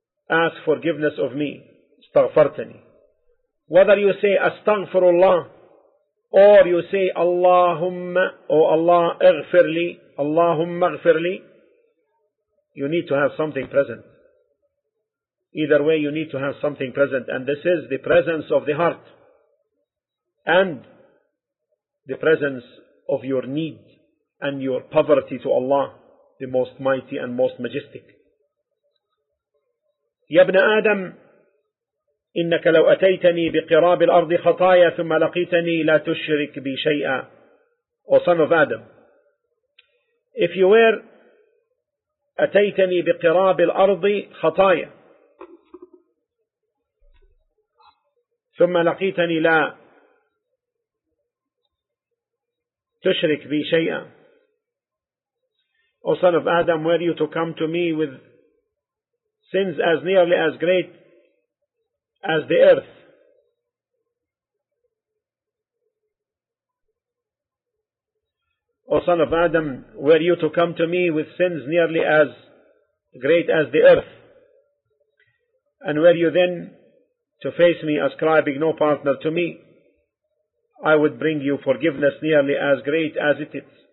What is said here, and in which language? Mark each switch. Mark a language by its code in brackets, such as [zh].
[en] Ask forgiveness of me. Astaghfartani. Whether you say Astaghfirullah, or you say Allahumma, O Allah, اغفرلي, Allahumma اغفرلي, you need to have something present. Either way, you need to have something present, and this is the presence of the heart and the presence of your need and your poverty to Allah, the Most Mighty and Most Majestic. [ar] يبنى آدم إنك لو أتيتني بقراب الأرض خطايا ثم لقيتني لا تشرك بي شيئا. [en] O son of Adam, if you were [ar] أتيتني بقراب الأرض خطايا ثم لقيتني لا تشرك بي شيئا. [en] O son of Adam, were you to come to me with sins as nearly as great as the earth, O son of Adam, were you to come to me with sins nearly as great as the earth, and were you then to face me ascribing no partner to me, I would bring you forgiveness nearly as great as it is.